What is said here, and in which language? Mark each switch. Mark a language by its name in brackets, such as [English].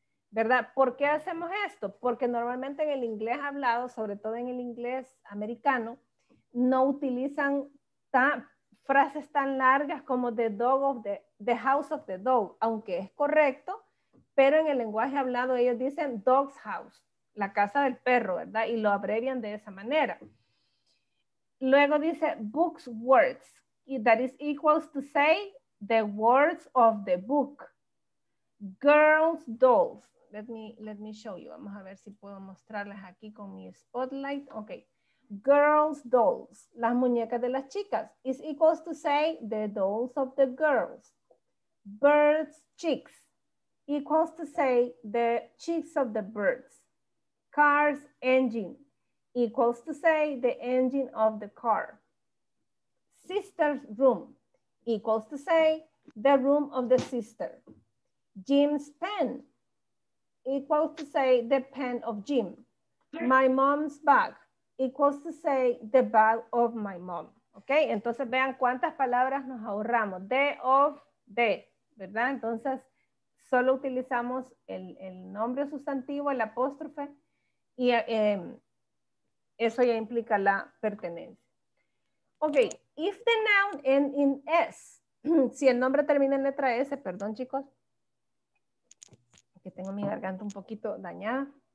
[Spanish] ¿Verdad? ¿Por qué hacemos esto? Porque normalmente en el inglés hablado, sobre todo en el inglés americano, no utilizan frases tan largas como [English] the house of the dog, [Spanish] aunque es correcto, pero en el lenguaje hablado ellos dicen dog's house. La casa del perro, ¿verdad? Y lo abrevian de esa manera. Luego dice books, words. [English] That is equals to say the words of the book. Girls, dolls. let me show you. [Spanish] Vamos a ver si puedo mostrarles aquí con mi spotlight. Ok. [English] Girls' dolls. [Spanish] Las muñecas de las chicas. [English] Is equals to say the dolls of the girls. Birds' chicks. Equals to say the chicks of the birds. Cars' engine. Equals to say the engine of the car. Sister's room. Equals to say the room of the sister. Jim's pen. Equals to say the pen of Jim. My mom's bag. Equals to say the bag of my mom. [Spanish] Ok, entonces vean cuántas palabras nos ahorramos. The of the, ¿verdad? Entonces solo utilizamos el nombre sustantivo, el apóstrofe, y eso ya implica la pertenencia. Ok, [English] if the noun ends in S, [Spanish] si el nombre termina en letra S, perdón chicos, que tengo mi garganta un poquito dañada.